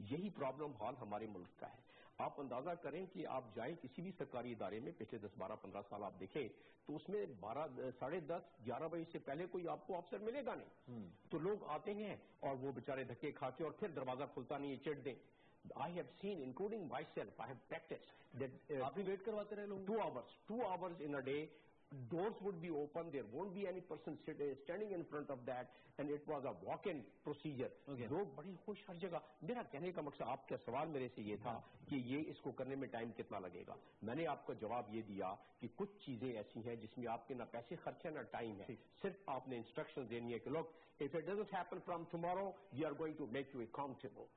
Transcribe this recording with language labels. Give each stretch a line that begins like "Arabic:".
Hindi: यही प्रॉब्लम हाल हमारे मुल्क का है। आप अंदाजा करें कि आप जाएं किसी भी सरकारी इदारे में, पिछले 10-12-15 साल आप देखें तो उसमें 10:30-11 बजे से पहले कोई आपको अफसर मिलेगा नहीं। तो लोग आते हैं और वो बेचारे धक्के खाके और फिर दरवाजा खुलता नहीं है, चिट दें।
English: I have seen, including myself, I have practiced that.
Hindi: आप भी वेट करवाते रहे लोग?
English: Two hours in a day. Doors would be open. There won't be any person standing in front of that. And it was a walk-in procedure.
Hindi: लोग बड़ी खुश हर जगह। मेरा कहने का मकसद, आपका सवाल मेरे से ये था कि ये इसको करने में टाइम कितना लगेगा। मैंने आपको जवाब ये दिया कि कुछ चीजें ऐसी हैं जिसमें आपके ना पैसे खर्च है ना टाइम है, सिर्फ आपने इंस्ट्रक्शन देनी है कि
English: Look, if it doesn't happen from tomorrow, we are going to make you accountable.